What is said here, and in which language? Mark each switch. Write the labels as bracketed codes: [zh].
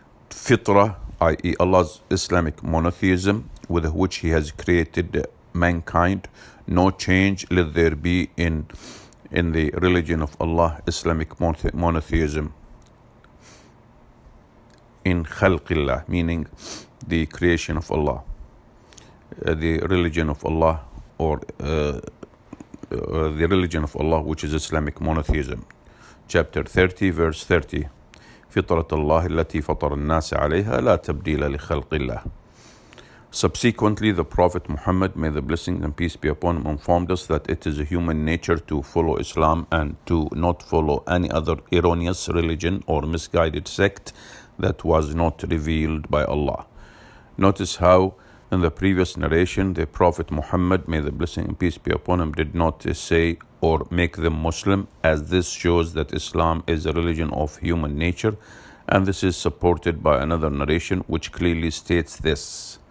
[en] Fitra, i.e. Allah's Islamic monotheism, with which he has created mankind, no change let there be in the religion of Allah, Islamic monotheism. In khalqillah, meaning the creation of Allah, the religion of Allah, the religion of Allah, which is Islamic monotheism. Chapter 30, verse 30. [ar] فطرة الله التي فطر الناس عليها لا تبديل لخلق الله. [en] Subsequently, the Prophet Muhammad, may the blessings and peace be upon him, informed us that it is a human nature to follow Islam and to not follow any other erroneous religion or misguided sect that was not revealed by Allah. Notice how in the previous narration, the Prophet Muhammad, may the blessing and peace be upon him, did not say or make them Muslim, as this shows that Islam is a religion of human nature, and this is supported by another narration which clearly states this.